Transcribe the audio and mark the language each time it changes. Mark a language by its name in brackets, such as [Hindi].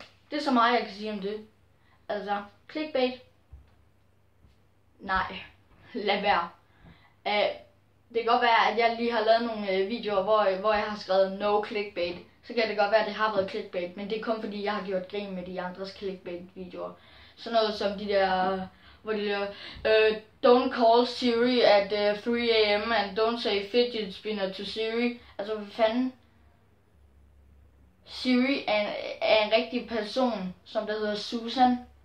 [Danish] Det er så meget, jeg kan sige om det. Altså, clickbait. Nej, lad være. Det kan godt være, at jeg lige har lavet nogle videoer, hvor jeg har skrevet [English] no clickbait. [Danish] Så kan det godt være, at det har været clickbait. Men det er kun fordi, jeg har gjort grin med de andres clickbait-videoer. Sådan noget som de der... Hvor de der, [English] don't call Siri at 3 a.m. and don't say fidget spinner to Siri. [Danish] Altså, hvad fanden? Siri er en rigtig person, som der hedder Susan.